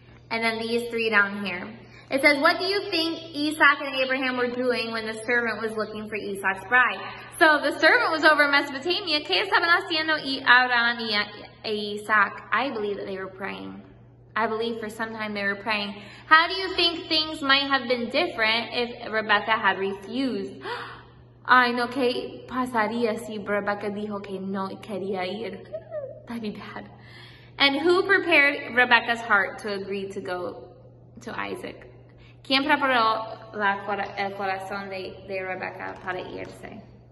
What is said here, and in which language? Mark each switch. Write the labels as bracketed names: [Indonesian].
[English] And then these three down here. It says, what do you think Isaac and Abraham were doing when the servant was looking for Isaac's bride? So the servant was over in Mesopotamia. [Spanish] ¿Qué estaban haciendo Abraham y Isaac? [English] I believe that they were praying. I believe for some time they were praying. How do you think things might have been different if Rebecca had refused? [Spanish] Ay, no, ¿qué pasaría si Rebecca dijo que no quería ir? [English] That'd be bad. And who prepared Rebecca's heart to agree to go to Isaac? [Spanish] ¿Quién preparó el corazón de Rebecca para irse?